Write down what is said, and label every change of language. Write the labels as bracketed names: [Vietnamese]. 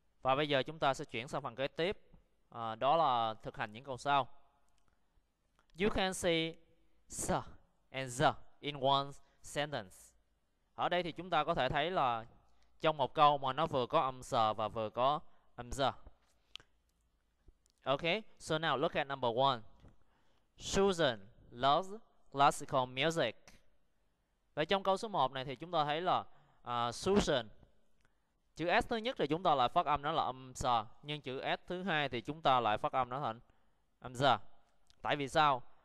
[Vietnamese] Và bây giờ chúng ta sẽ chuyển sang phần kế tiếp. Đó là thực hành những câu sau. [English] You can see sa and the in one sentence. [Vietnamese] Ở đây thì chúng ta có thể thấy là trong một câu mà nó vừa có âm s và vừa có âm z. [English] Okay, so now look at number one. Susan loves classical music. [Vietnamese] Và trong câu số 1 này thì chúng ta thấy là Susan. Chữ S thứ nhất thì chúng ta lại phát âm nó là âm s, nhưng chữ S thứ hai thì chúng ta lại phát âm nó thành âm z. Tại vì sao?